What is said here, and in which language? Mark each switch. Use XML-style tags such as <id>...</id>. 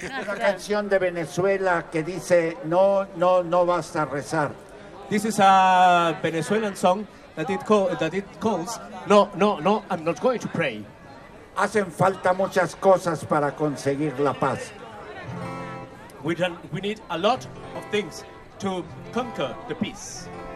<nl>gedaan.</nl> <es>Una canción de Venezuela que dice no vas a rezar.</es> <en>This is a Venezuelan song that it calls No, I'm not going to pray.</en> <es>Hacen falta muchas cosas para conseguir la paz.</es> <en>We need a lot of things to conquer the peace.</en>